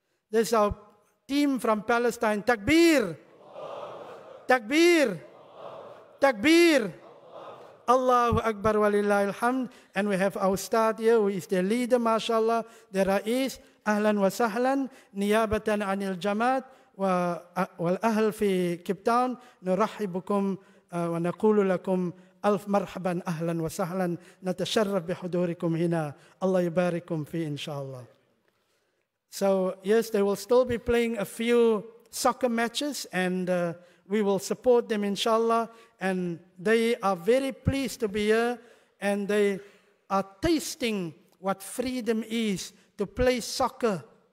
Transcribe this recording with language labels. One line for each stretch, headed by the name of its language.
English: This is our team from Palestine.
Arabic: Takbir! Takbir! Takbir! Allahu Akbar wa lillahi alhamd.
English: And we have our star here, who is their leader, mashallah, the Ra'is.
Arabic: Ahlan wa sahlan, niyabatan anil jamaat. والأهل في كيبتاون نرحبكم ونقول لكم ألف مرحبا أهلا وسهلا نتشرف بحضوركم هنا الله يبارككم في إن شاء الله.
English: So yes, they will still be playing a few soccer matches, and we will support them inshallah, and they are very pleased to be here, and they are tasting what freedom is to play soccer